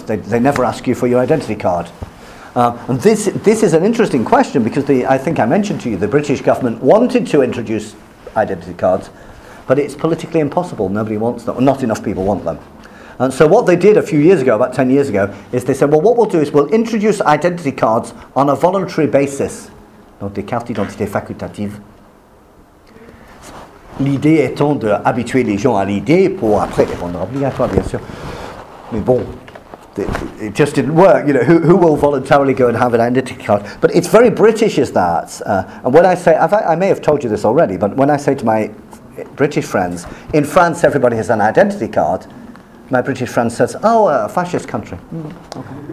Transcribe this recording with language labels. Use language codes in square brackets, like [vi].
[en] They never ask you for your identity card. And this is an interesting question because I think I mentioned to you the British government wanted to introduce identity cards, but it's politically impossible. Nobody wants them. Not enough people want them. And so what they did a few years ago, about 10 years ago, is they said, well, what we'll do is we'll introduce identity cards on a voluntary basis. [fr] Donc des cartes d'identité facultatives. L'idée étant de habituer les gens à l'idée pour après les rendre obligatoires, bien sûr. Mais bon. [en] It just didn't work. You know, who will voluntarily go and have an identity card? But it's very British, is that? And when I say, I may have told you this already, but when I say to my British friends, in France everybody has an identity card, my British friend says, oh, a fascist country. Okay.